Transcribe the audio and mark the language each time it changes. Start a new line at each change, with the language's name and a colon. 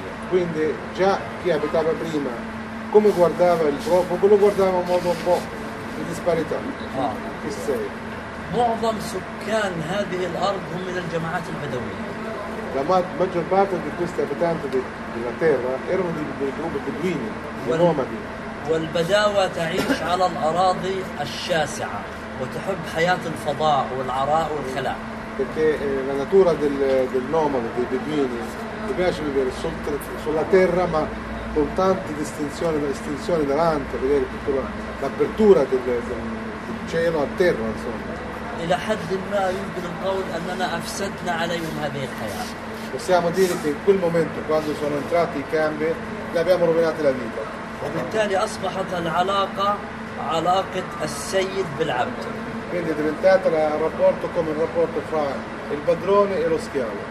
Italian: Quindi già chi abitava prima, come guardava il profugo, lo guardava in modo un po' di disparità. Chi sei?
Arabic: معظم سكان هذه الأرض هم من الجماعات البدوية. لما
Italian: maggior parte di questi abitanti della terra erano dei gruppi beduini, nomadi.
Arabic: والبداوة تعيش على الأراضي الشاسعة وتحب حياة الفضاء والعراء والخلاء.
Italian: Perché la natura del nomade, dei beduini, gli piace vivere sulla terra ma con tante distinzioni davanti, vedere tutta l'apertura del cielo a terra, insomma.
Arabic: إلى حد ما يمكن القول أننا أفسدنا عليهم هذه الحياة.
Italian: Possiamo dire che in quel momento quando sono entrati i campi li abbiamo rovinati la vita.
Arabic: وبالتالي أصبحت العلاقة علاقة السيد بالعبد.
Italian: Quindi è diventato il rapporto come il rapporto fra il padrone e lo schiavo.